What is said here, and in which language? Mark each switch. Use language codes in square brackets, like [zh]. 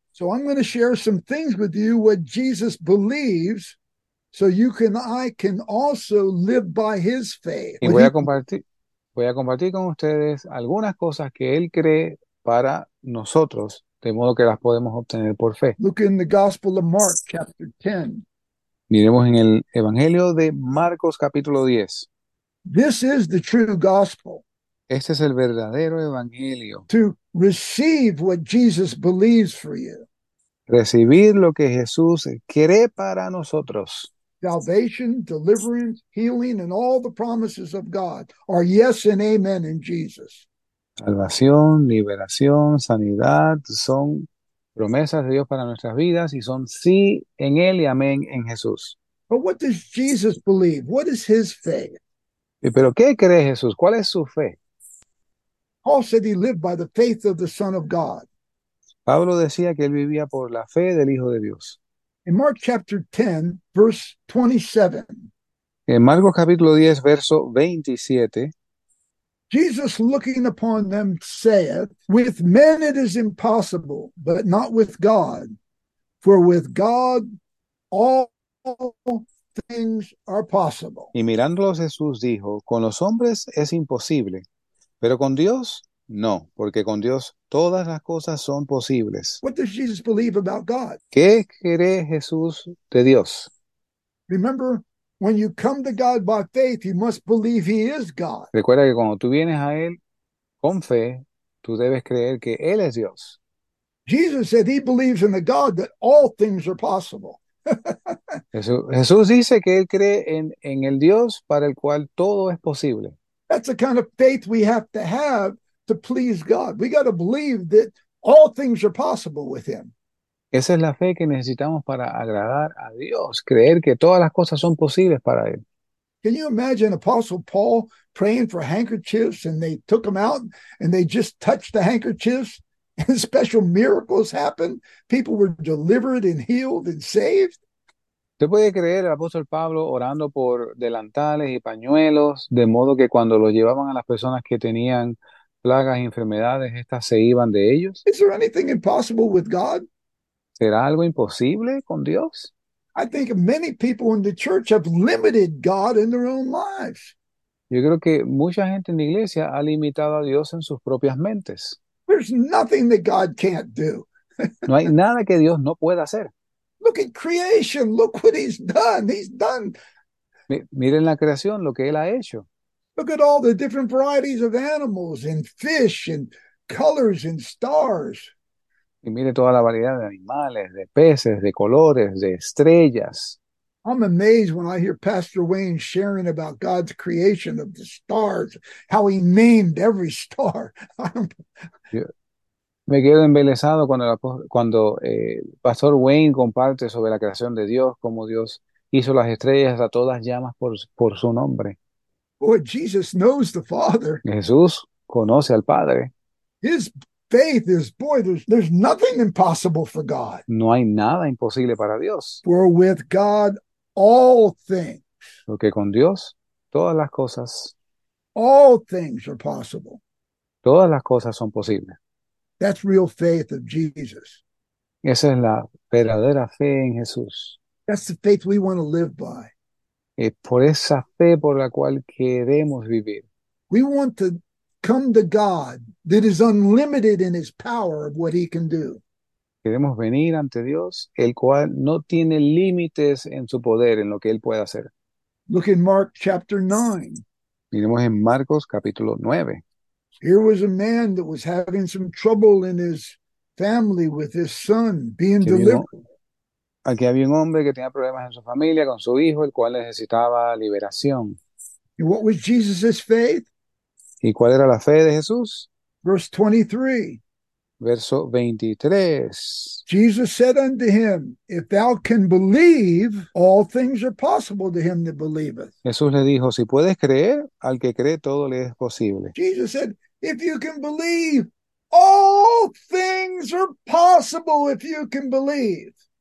[en] So I'm going to share some things with you what Jesus believes, so you can I can also live by his faith, [es] Y [en] what he. [es] voy a compartir con ustedes algunas cosas que él cree para nosotros, de modo que las podemos obtener por fe. [en] Look in the Gospel of Mark, chapter 10. [es] Miremos en el Evangelio de Marcos capítulo 10. [en] This is the true gospel. [es] Este es el verdadero evangelio. [en] To receive what Jesus believes for you. [es] Recibir lo que Jesús cree para nosotros. [en] Salvation, deliverance, healing, and all the promises of God are yes and amen in Jesus. [es] Salvación, liberación, sanidad son promesas de Dios para nuestras vidas y son sí en Él y amén en Jesús. [en] But what does Jesus believe? What is his faith? [es] ¿Pero qué cree Jesús? ¿Cuál es su fe? [en] Paul said he lived by the faith of the Son of God. [es] Pablo decía que él vivía por la fe del Hijo de Dios. [en] In Mark chapter 10, verse 27, [es] En Marcos capítulo 10, verso 27. [en] Jesus looking upon them saith, with men it is impossible, but not with God, for with God all things are possible. [es] Y mirándolos Jesús dijo, con los hombres es imposible, pero con Dios no, porque con Dios todas las cosas son posibles. [en] What does Jesus believe about God? [es] ¿Qué cree Jesús de Dios? [en] Remember, when you come to God by faith, you must believe he is God. [es] Recuerda que cuando tú vienes a Él con fe, tú debes creer que Él es Dios. [en] Jesus said he believes in a God that all things are possible. [es] Jesús dice que él cree en el Dios para el cual todo es posible. [en] That's the kind of faith we have to have to please God. We got to believe that all things are possible with Him. [es] Esa es la fe que necesitamos para agradar a Dios, creer que todas las cosas son posibles para Él. [en] Can you imagine Apostle Paul praying for handkerchiefs and they took them out and they just touched the handkerchiefs and special miracles happened? People were delivered and healed and saved? [es] ¿Usted puede creer al apóstol Pablo orando por delantales y pañuelos, de modo que cuando los llevaban a las personas que tenían plagas y enfermedades, estas se iban de ellos? [en] Is there anything impossible with God? [es] ¿Será algo imposible con Dios? [en] I think many people in the church have limited God in their own lives. [es] Yo creo que mucha gente en la iglesia ha limitado a Dios en sus propias mentes. [en] There's nothing that God can't do. [es] No hay nada que Dios no pueda hacer. [en] Look at creation. Look what He's done. He's done. [es] Miren la creación, lo que Él ha hecho. [en] Look at all the different varieties of animals and fish and colors and stars. [es] Y mire toda la variedad de animales, de peces, de colores, de estrellas. [en] I'm amazed when I hear Pastor Wayne sharing about God's creation of the stars, how He named every star. [es] Yo me quedo embelesado cuando Pastor Wayne comparte sobre la creación de Dios, cómo Dios hizo las estrellas a todas llamas por su nombre. [en] Boy, Jesus knows the Father. [es] Jesús conoce al Padre. [en] His faith is, boy, there's nothing impossible for God. [es] No hay nada imposible para Dios. [en] For with God, all things. [es] Porque con Dios, todas las cosas. [en] All things are possible. [es] Todas las cosas son posibles. [en] That's real faith of Jesus. [es] Esa es la verdadera fe en Jesús. [en] That's the faith we want to live by. [es] Es por esa fe por la cual queremos vivir. [en] We want to come to God that is unlimited in His power of what He can do. [es] Queremos venir ante Dios, el cual no tiene límites en su poder, en lo que Él puede hacer. [en] Look in Mark chapter 9. [es] Miremos en Marcos capítulo 9. [en] Here was a man that was having some trouble in his family with his son being [es] Aquí [en] delivered. [es] había un hombre que tenía problemas en su familia con su hijo, el cual necesitaba liberación. [en] And what was Jesus' faith? [es] ¿Y cuál era la fe de Jesús? [en] Verse 23. [es] Verso 23. [en] Jesus said unto him, if thou can believe, all things are possible to him that believeth. [es] Jesús le dijo, si puedes creer, al que cree todo le es posible. [en] Jesus said, if you can believe, all things are possible if you can believe.